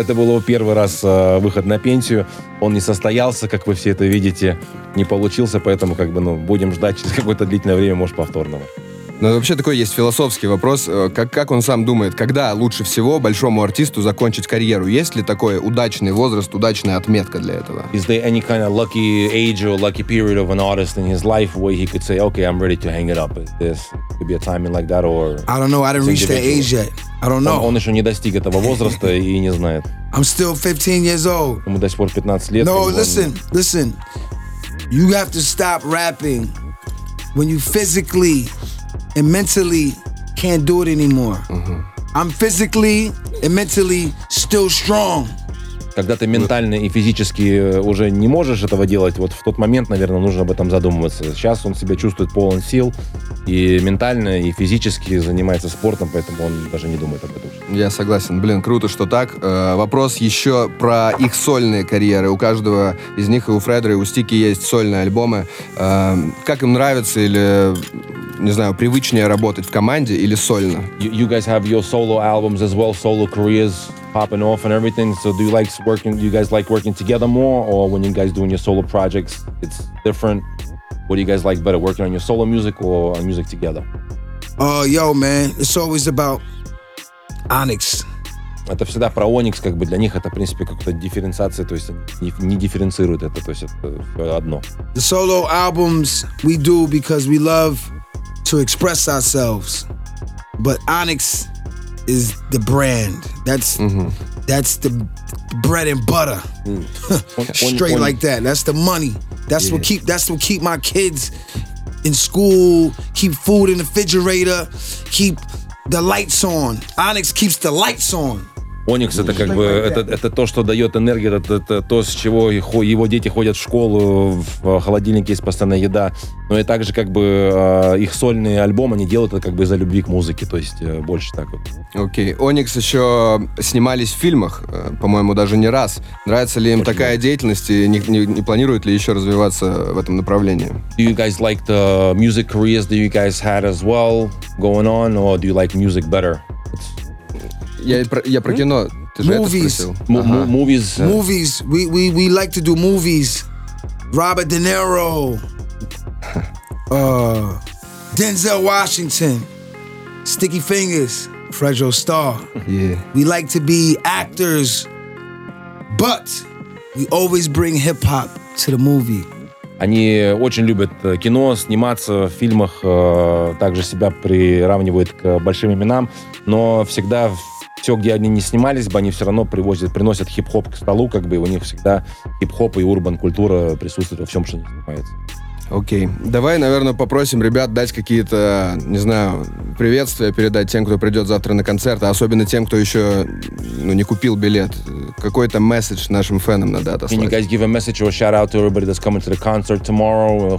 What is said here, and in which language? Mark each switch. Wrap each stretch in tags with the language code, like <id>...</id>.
<ru>Это был его первый раз выход на пенсию. Он не состоялся, как вы все это видите. Не получился, поэтому как бы, ну, будем ждать через какое-то длительное время, может, повторного. Ну, вообще такой есть философский вопрос. Как он сам думает, когда лучше всего большому артисту закончить карьеру? Есть ли такой удачный возраст, удачная отметка для этого?</ru> <en>Is there any kind of lucky age or lucky period of an artist in his life where he could say, okay, I'm ready to hang it up? This could be a timing like that, or... I don't know, I didn't individual. Reach that age yet. I don't know.</en> <ru>Он еще не достиг этого возраста и не знает.</ru> <en>I'm still 15 years old.</en> <ru>Ему до сих пор 15 лет.</ru> <en>No, listen, listen. You have to stop rapping when you physically and mentally can't do it anymore. Mm-hmm. I'm physically and mentally still strong.</en> <ru>Когда ты ментально и физически уже не можешь этого делать, вот в тот момент, наверное, нужно об этом задумываться. Сейчас он себя чувствует полон сил и ментально, и физически занимается спортом, поэтому он даже не думает об этом. Я согласен. Блин, круто, что так. Вопрос еще про их сольные карьеры. У каждого из них, и у Фредера, и у Стики есть сольные альбомы. Как им нравится или, не знаю, привычнее работать в команде или сольно?</ru> <en>You guys have your solo albums as well, solo careers popping off and everything, so do you like working, do you guys like working together more, or when you guys doing your solo projects, it's different? What do you guys like better, working on your solo music or on music together? Yo, man, it's always about Onyx.</en> <ru>Это всегда про Onyx, как бы для них это, в принципе, какая-то дифференциация, то есть не дифференцируют это, то есть это одно.</ru> <en>The solo albums we do because we love to express ourselves, but Onyx is the brand. That's that's the bread and butter. Straight like that. That's the money. That's what keep my kids in school, keep food in the refrigerator, keep the lights on. Onyx keeps the lights on.</en> <ru>Оникс — это как бы это то, что дает энергию, это то, с чего его дети ходят в школу, в холодильнике есть постоянная еда. Но и также как бы их сольный альбом они делают это как бы из-за любви к музыке, то есть больше так вот. Окей. Оникс еще снимались в фильмах, по-моему, даже не раз. Нравится ли им такая деятельность и не планируют ли еще развиваться в этом направлении?</ru> <en>Do you guys like the music careers that you guys had as well going on, or do you like music better?</en> <ru>Я про кино. Ты же</ru> <en>movies.</en> <ru>Это спросил.</ru> <en>Movies. Yeah. Movies. We like to do movies. Robert De Niro. Denzel Washington. Sticky Fingers. Fredro Starr. Yeah. We like to be actors. But we always bring hip-hop to the movie.</en> <ru>Они очень любят кино, сниматься в фильмах. Также себя приравнивают к большим именам. Но всегда... Все, где они не снимались бы, они все равно приносят хип-хоп к столу, как бы у них всегда хип-хоп и урбан-культура присутствует во всем, что они занимаются. Окей. Давай, наверное, попросим ребят дать какие-то, не знаю, приветствия передать тем, кто придет завтра на концерт, а особенно тем, кто еще не купил билет. Какой-то месседж нашим фэнам надо отослать.</ru> <en>Can you guys give a message or shout out to everybody that's coming to the concert tomorrow?</en>